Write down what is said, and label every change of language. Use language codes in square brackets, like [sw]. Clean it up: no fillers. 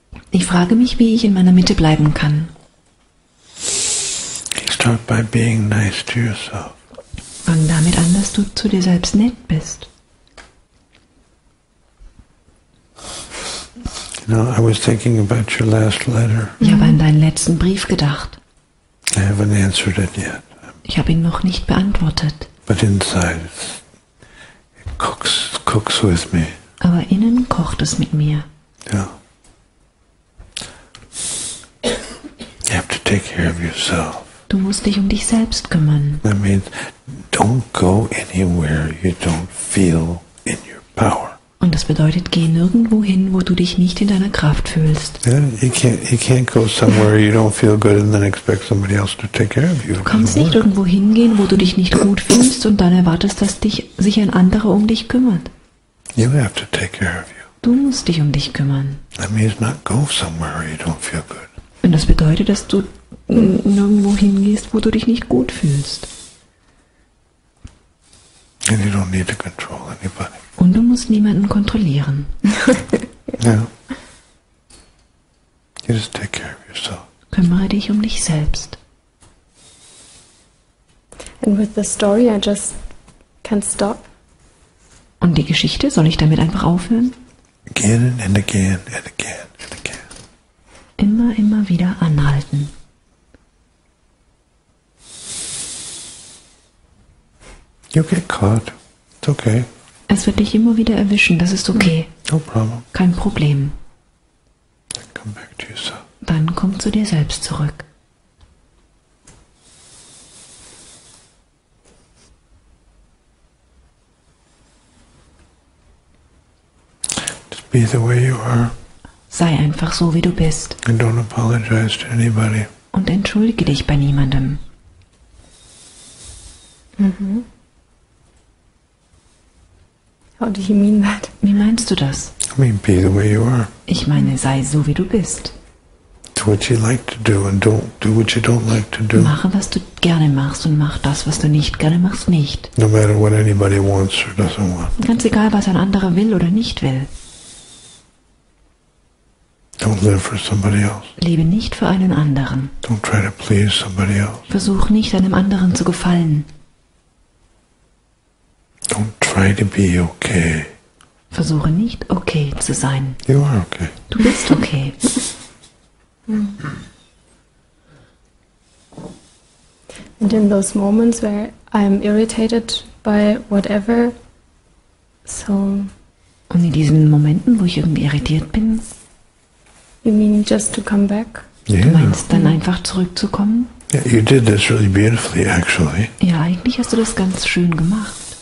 [de] Ich frage mich, wie ich in meiner Mitte bleiben kann. [en] Start by being nice to yourself. [de] Fang damit an, dass du zu dir selbst nett bist. [en] You know, I was thinking about your last letter. [de] Ich habe an deinen letzten Brief gedacht. [en] I haven't answered it yet. [de] Ich habe ihn noch nicht beantwortet. [en] But inside, it cooks with me. [de] Aber innen kocht es mit mir. Ja. [en] You have to take care of yourself. [de] Du musst dich um dich selbst kümmern. [en] That means don't go anywhere you don't feel in your power. [de] Und das bedeutet, geh nirgendwo hin, wo du dich nicht in deiner Kraft fühlst. [en] You can't go somewhere you don't feel good and then expect somebody else to take care of you. [de] Du kannst nicht irgendwo hingehen, wo du dich nicht gut fühlst und dann erwartest, dass sich ein anderer um dich kümmert. [en] You have to take care of you. [de] Du musst dich um dich kümmern. [en] That means not go somewhere you don't feel good. [de] Und das bedeutet, dass du nirgendwo hingehst, wo du dich nicht gut fühlst. [en] And you don't need to control anybody. [de] Und du musst niemanden kontrollieren. [en] No. You just take care of yourself. [de] Kümmere dich um dich selbst. [en] And with the story, I just can't stop. [de] Und die Geschichte, soll ich damit einfach aufhören? [en] Again and again and again and again. [de] Immer, immer wieder anhalten. [en] You get caught. It's okay. [de] Es wird dich immer wieder erwischen. Das ist okay. [en] No problem. [de] Kein Problem. [en] Then come back to yourself. [de] Dann komm zu dir selbst zurück. [en] Just be the way you are. [de] Sei einfach so, wie du bist. [en] And don't apologize to anybody. [de] Und entschuldige dich bei niemandem. [en] How do you mean that? [de] Wie meinst du das? [en] I mean, be the way you are. [de] Ich meine, sei so, wie du bist. [en] Do what you like to do and don't do what you don't like to do. [de] Mache, was du gerne machst und mach das, was du nicht gerne machst, nicht. [en] No matter what anybody wants or doesn't want. [de] Ganz egal, was ein anderer will oder nicht will. [en] Don't live for somebody else. [de] Lebe nicht für einen anderen. [en] Don't try to please somebody else. [de] Versuch nicht, einem anderen zu gefallen. [en] Don't try to be okay. [de] Versuche nicht, okay zu sein. [en] You are okay. [de] Du bist okay. [en] And in those moments where I'm irritated by whatever, so. [de] Und in diesen Momenten, wo ich irgendwie irritiert bin. [en] You mean just to come back? [de] Yeah. Du meinst dann einfach zurückzukommen? [en] Yeah, you did this really beautifully, actually. [de] Ja, eigentlich hast du das ganz schön gemacht.